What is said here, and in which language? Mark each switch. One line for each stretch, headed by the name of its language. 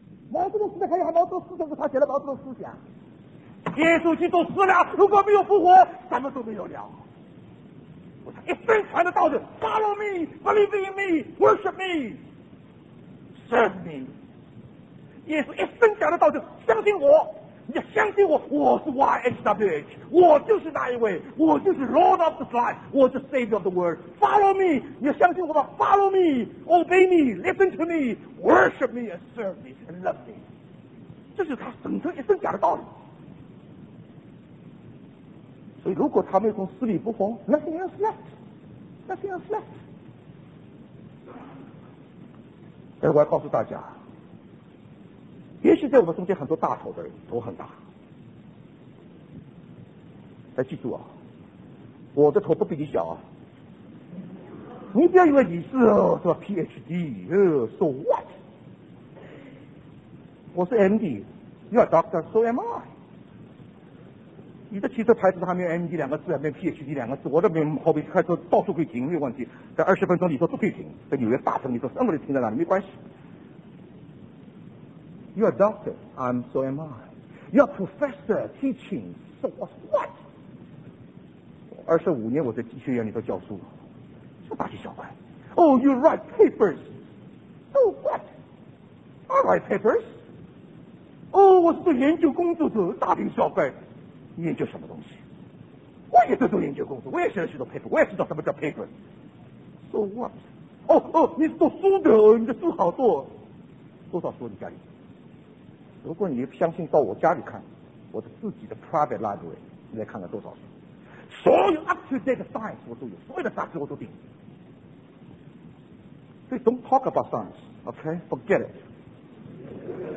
Chinese: 毛泽东死了还有毛泽东思想，因为他写了毛泽东思想。耶稣基督死了，如果没有复活，什么都没有了。我是一生传的道人 ，
English: Follow me, believe in me, worship me, serve me。
Chinese: 耶稣一生讲的道德，相信我，你相信我，我是 YHWH， 我就是那一位，我就是 Lord of the Flies， 我是
English: Savior of the World。 Follow me，
Chinese: 你相信我吧。
English: Follow me， obey me， listen to me， worship me and serve me and love me。
Chinese: 这是他整个一生讲的道理。所以，如果他没有从死里复活 ，
English: nothing else left， nothing else left。
Chinese: 但是，我要告诉大家。也许在我们中间很多大头的人头很大，但记住啊，我的头不比你小啊。你不要以为你是哦是吧
English: PhD so what，
Chinese: 我是 MD，
English: you are doctor so am I。
Chinese: 你的汽车牌子还没有 MD 两个字，还没有 PhD 两个字，我这边后面开车到处可以停，没有问题，在二十分钟里头都可以停，在纽约大城里头三个人停在那里没关系。
English: You are doctor, I'm so am I. You are professor, teaching, so what?
Chinese: 25年我在医学院里头教书，这大惊小怪。
English: Oh, you write papers, so what? I write papers.
Chinese: Oh, 我是做研究工作者，大惊小怪。你研究什么东西？我也在做研究工作，我也写了许多 paper， 我也知道什么叫 paper.
English: So what?
Chinese: Oh, 你是做书的，你的书好多，多少书你家里？如果你相信到我家里看，我的自己的
English: private library，
Chinese: 你来看看多少书，所有
English: up to date science
Chinese: 我都有，所有的杂志我都订。
English: 所以 don't talk about science， OK， forget it。